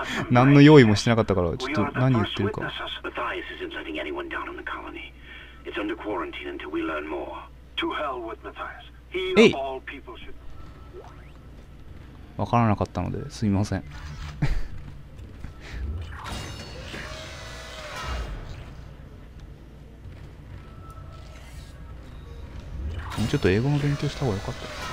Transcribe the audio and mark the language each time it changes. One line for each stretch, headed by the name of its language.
Japanese: 何の用意もしてなかったから、ちょっと何言ってるか。
English: Matthias isn't letting anyone down in the colony. It's under quarantine until we learn more. To hell with Matthias. He of all people should...
Japanese: わからなかったのですみません。もうちょっと英語の勉強した方が良かった。